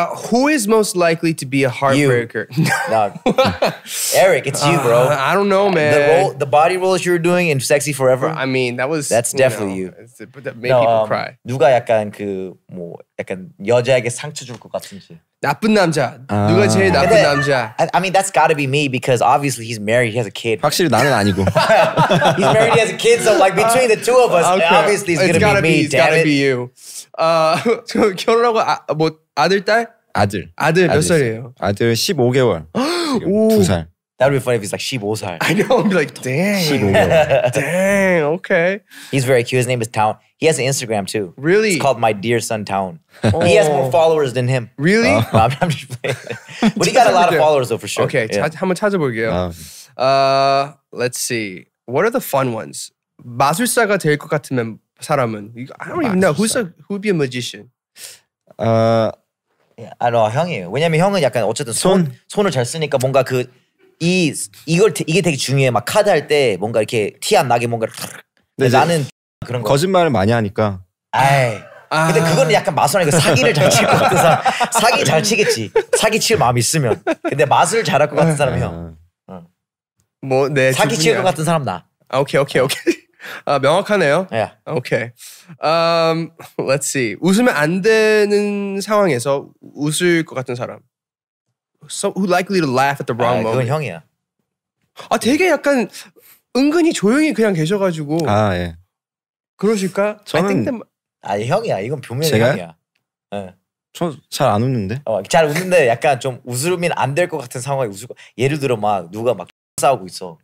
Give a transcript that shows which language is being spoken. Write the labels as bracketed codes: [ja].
[en] Who is most likely to be a heartbreaker? Eric, it's you, bro. I don't know, man. The body rolls you were doing in Sexy Forever. I mean, that was… That's definitely you. That made people cry. [ko] 누가 약간 약간 여자에게 상처 줄 것 같은지. 나쁜 남자. 누가 제일 나쁜 근데, 남자. [en] I mean, that's gotta be me because obviously he's married. He has a kid. [ko] 확실히 나는 아니고. [en] He's married, he has a kid. So like between the two of us, okay. Obviously it's gonna be me, it's gotta be you. [ko] So 결혼하고 뭐… 아들, 딸? 아들. 아들 몇 살이에요? 아들 15개월. 두 살. [en] That would be funny if he's like 15살. I know. I'd be like, dang. [ko] 15개월. [en] Dang, okay. He's very cute. His name is Town. He has an Instagram too. Really? It's called My Dear Son Town. He has more followers than him. Really? No, I'm just playing. But he got a lot of followers though for sure. Okay, [ko] 한번 찾아볼게요. [en] Let's see. What are the fun ones? [ko] 마술사가 될 것 같은 사람은? [en] I don't even know. Who would be a magician? Yeah, I know, [ko] 형이에요. 왜냐면 형은 약간 어쨌든 손을 잘 쓰니까 뭔가 그 이 이걸 이게 되게 중요해. 막 카드 할 때 뭔가 이렇게 티 안 나게 뭔가 근데 나는 그런 거 거짓말을 많이 하니까. 에이. 아. 근데 그거는 약간 마술 아니고 사기를 잘 칠 것 같은 사람. 사기 잘 치겠지. 사기 칠 마음 있으면. 근데 마술 잘 할 것 같은 사람 형. 뭐 네. 사기 칠 것 같은 사람 나. 아, 오케이. 아, 명확하네요. 예. [en] Yeah. [ko] 오케이. [en] Let's see. [ko] 웃으면 안 되는 상황에서 웃을 것 같은 사람. [en] So who likely to laugh at the wrong moment? [ko] 그건 형이야. 아, 되게 약간 은근히 조용히 그냥 계셔 가지고. 아, 예. 그러실까? 저는 아, 형이야. 이건 분명히 형이야. 예. 저 잘 안 웃는데. 잘 웃는데 약간 좀 웃으면 안 될 것 같은 상황에 웃을 거. 예를 들어 막 누가 막 싸우고 있어.